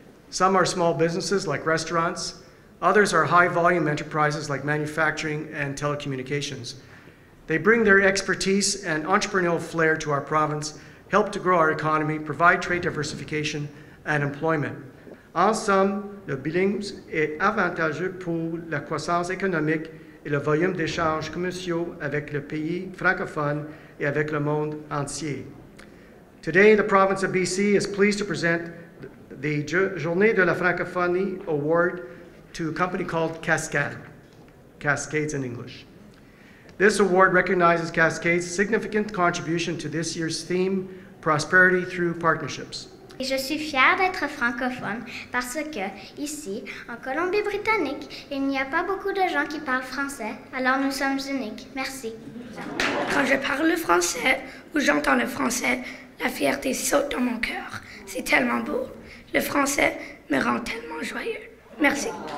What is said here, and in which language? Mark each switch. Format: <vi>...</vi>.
<en>Some are small businesses like restaurants, others are high-volume enterprises like manufacturing and telecommunications. They bring their expertise and entrepreneurial flair to our province, help to grow our economy, provide trade diversification and employment.</en> <fr>En somme, le bilingue est avantageux pour la croissance économique et le volume d'échanges commerciaux avec le pays francophone et avec le monde entier.</fr> <en>Today, the province of BC is pleased to present the Journée de la Francophonie Award to a company called Cascade, Cascades in English. This award recognizes Cascade's significant contribution to this year's theme, Prosperity through Partnerships.</en> <fr>Je suis fière d'être francophone parce que, ici, en Colombie-Britannique, il n'y a pas beaucoup de gens qui parlent français, alors nous sommes uniques. Merci. Quand je parle le français ou j'entends le français, la fierté saute dans mon cœur. C'est tellement beau. Le français me rend tellement joyeux. Merci.</fr>